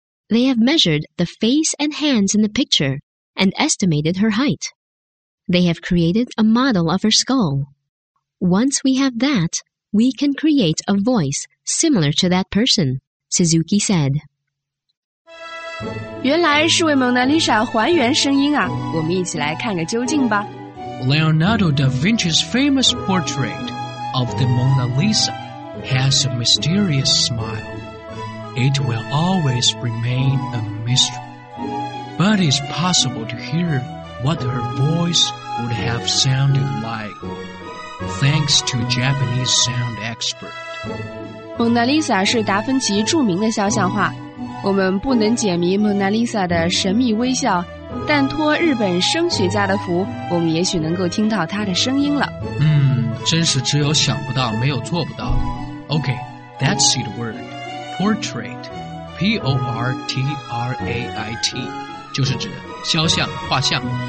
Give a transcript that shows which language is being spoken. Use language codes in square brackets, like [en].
[en] They have measured the face and hands in the picture and estimated her height. They have created a model of her skull. Once we have that, we can create a voice similar to that person, Suzuki said. [zh] 原来是为蒙娜丽莎还原声音啊，我们一起来看个究竟吧。 [en] Leonardo da Vinci's famous portrait of the Mona Lisa has a mysterious smile. It will always remain a mystery. But it's possible to hear what her voice would have sounded like, thanks to Japanese sound expert. [zh] Mona Lisa 是达芬奇著名的肖像画。我们不能解谜 Mona Lisa 的神秘微笑，但托日本声学家的福，我们也许能够听到她的声音了。真是只有想不到，没有做不到的。 [en] Okay, that's it word. Portrait, P-O-R-T-R-A-I-T, [zh] 就是指肖像、画像。